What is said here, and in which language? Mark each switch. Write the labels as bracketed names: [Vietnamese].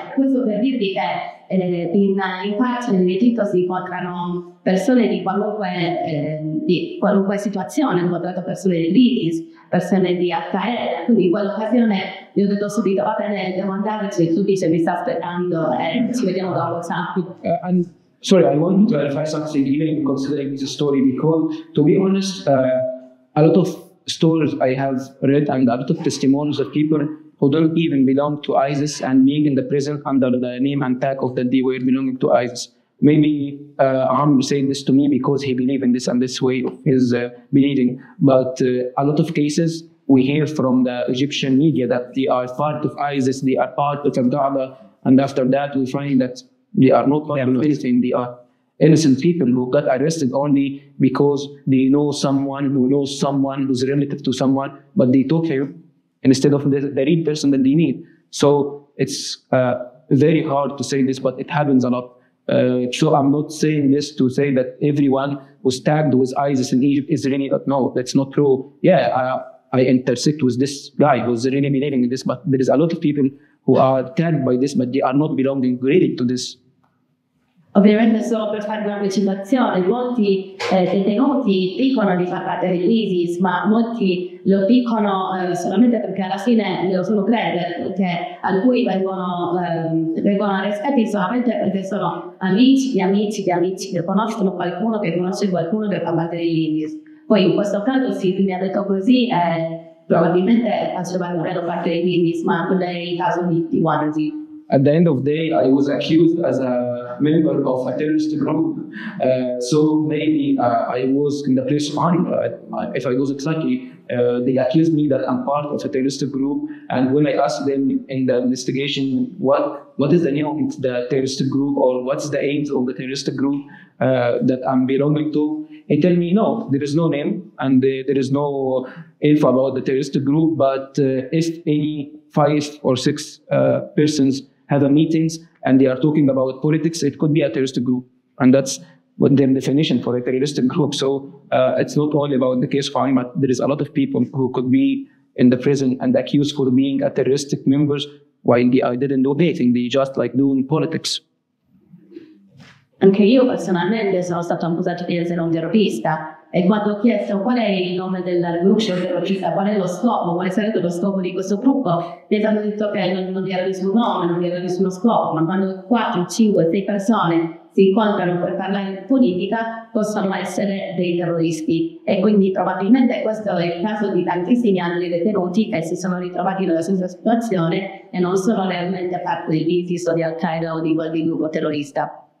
[Italian] Questo per dirvi che in carcere in Egitto si incontrano persone di qualunque situazione, ho incontrato persone dell'ISIS, persone di Al-Qaeda, quindi in quell'occasione gli ho detto subito, va bene, devo andarci, tu dice mi sta aspettando e ci vediamo dopo, ciao. [English] Sorry, I want to clarify something even considering this story, because to be honest, a lot of stories I have read and a lot of testimonies of people who don't even belong to ISIS and being in the prison under the name and tag of that they were belonging to ISIS. Maybe Amr saying this to me because he believes in this and this way of his believing. But a lot of cases we hear from the Egyptian media that they are part of ISIS, they are part of Abdullah, and after that we find that they are not part of anything. They are innocent people who got arrested only because they know someone who knows someone who's related to someone, but they took him instead of the real person that they need. So it's very hard to say this, but it happens a lot. So I'm not saying this to say that everyone who's tagged with ISIS in Egypt is really, no, that's not true. Yeah, I intersect with this guy who's really believing in this, but there is a lot of people who are tagged by this, but they are not belonging related to this. [Italian] Ovviamente solo per fare una precisazione, molti detenuti dicono di far parte dell'ISIS, ma molti lo dicono solamente perché alla fine lo sono credere, perché alcuni vengono arrestati solamente perché sono amici che conoscono qualcuno che conosce qualcuno che fa parte dell'ISIS. Poi in questo caso sì, mi ha detto così, probabilmente faceva davvero parte dell'ISIS, ma non è il caso di Tiwanzi. [English] At the end of the day, I was accused as a member of a terrorist group. So maybe I was in the place of honor. If I was exactly, they accused me that I'm part of a terrorist group. And when I asked them in the investigation, what is the name of the terrorist group or what's the aims of the terrorist group that I'm belonging to? He told me, no, there is no name and there is no info about the terrorist group, but if any 5 or 6 persons have a meetings and they are talking about politics, it could be a terrorist group. And that's what their definition for a terrorist group. So it's not only about the case of Aymat, there is a lot of people who could be in the prison and accused for being a terrorist members while they didn't do anything, they just like doing politics. [Italian] Anche io personalmente sono stato accusato di essere un terrorista e quando ho chiesto qual è il nome del gruppo terrorista, qual è lo scopo, quale sarebbe lo scopo di questo gruppo, mi hanno detto che non era nessun nome, non era nessuno scopo, ma quando 4, 5, 6 persone si incontrano per parlare di politica possono essere dei terroristi e quindi probabilmente questo è il caso di tantissimi altri detenuti che si sono ritrovati nella stessa situazione e non sono realmente parte di ISIS o di Al-Qaeda o di quel gruppo terrorista.